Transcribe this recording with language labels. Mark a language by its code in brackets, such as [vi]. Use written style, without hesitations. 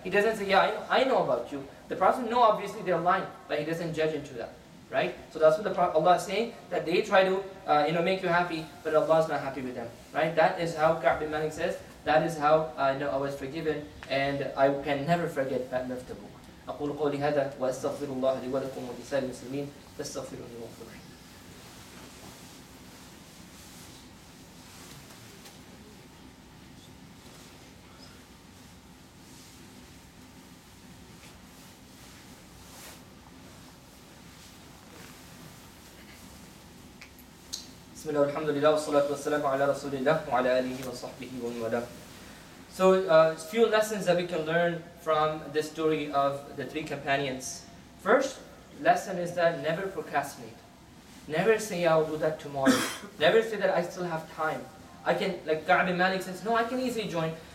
[en] He doesn't say, yeah, I know about you. The Prophet knows obviously they're lying, but he doesn't judge into that. Right? So that's what the Prophet Allah is saying, that they try to make you happy, but Allah is not happy with them. Right? That is how Ka'b bin Malik says, that is how I was forgiven, and I can never forget that of Tabuk. [ar] أقول قولي هذا وأستغفر الله لي ولكم ولسائر المسلمين فاستغفروني وغفر لي. بسم الله والحمد لله والصلاة والسلام على رسول الله وعلى آله وصحبه ومن والاه. [en] So a few lessons that we can learn from the story of the three companions. First lesson is that never procrastinate. Never say, I'll do that tomorrow. Never say that I still have time. I can, like Ka'b bin Malik says, no, I can easily join.